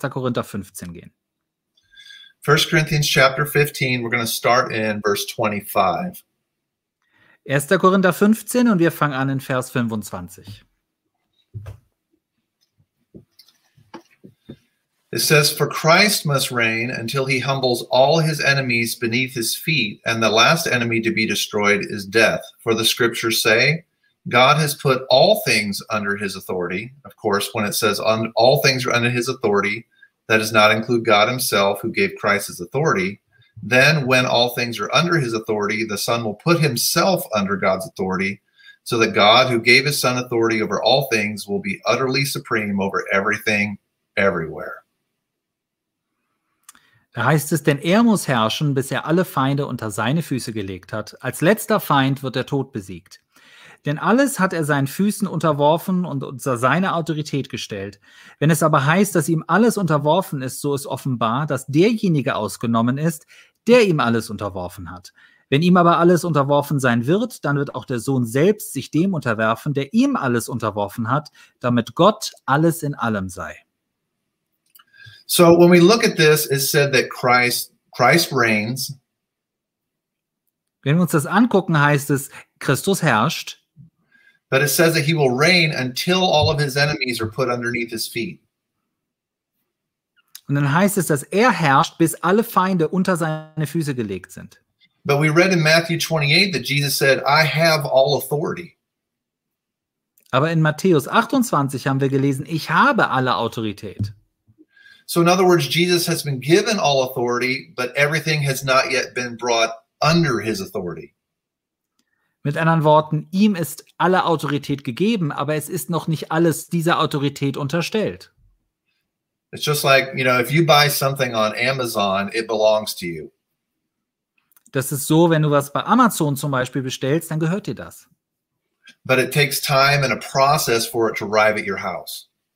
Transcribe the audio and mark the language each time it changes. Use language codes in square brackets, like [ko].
[de] Korinther 15 gehen. [en] 1 Corinthians chapter 15, we're going to start in verse 25. [de] 1. Korinther 15 und wir fangen an in Vers 25. [en] It says, for Christ must reign until he humbles all his enemies beneath his feet, and the last enemy to be destroyed is death. For the scriptures say, God has put all things under his authority. Of course, when it says all things are under his authority, that does not include God himself who gave Christ his authority. Then when all things are under his authority, the Son will put himself under God's authority, so that God who gave his Son authority over all things will be utterly supreme over everything, everywhere. [de] Da heißt es, denn er muss herrschen, bis er alle Feinde unter seine Füße gelegt hat. Als letzter Feind wird der Tod besiegt. Denn alles hat er seinen Füßen unterworfen und unter seine Autorität gestellt. Wenn es aber heißt, dass ihm alles unterworfen ist, so ist offenbar, dass derjenige ausgenommen ist, der ihm alles unterworfen hat. Wenn ihm aber alles unterworfen sein wird, dann wird auch der Sohn selbst sich dem unterwerfen, der ihm alles unterworfen hat, damit Gott alles in allem sei. [en] So when we look at this, it said that Christ reigns. [de] Wenn wir uns das angucken, heißt es, Christus herrscht. [en] But it says that he will reign until all of his enemies are put underneath his feet. [de] Und dann heißt es, dass er herrscht, bis alle Feinde unter seine Füße gelegt sind. [en] But we read in Matthew 28 that Jesus said, I have all authority. [de] Aber in Matthäus 28 haben wir gelesen, ich habe alle Autorität. [en] So in other words, Jesus has been given all authority, but everything has not yet been brought under his authority. [de] Mit anderen Worten, ihm ist alle Autorität gegeben, aber es ist noch nicht alles dieser Autorität unterstellt. [en] It's just like, you know, if you buy something on Amazon, it belongs to you. [de] Das ist so, wenn du was bei Amazon zum Beispiel bestellst, dann gehört dir das. [en] But it takes time and a process for it to arrive at your house.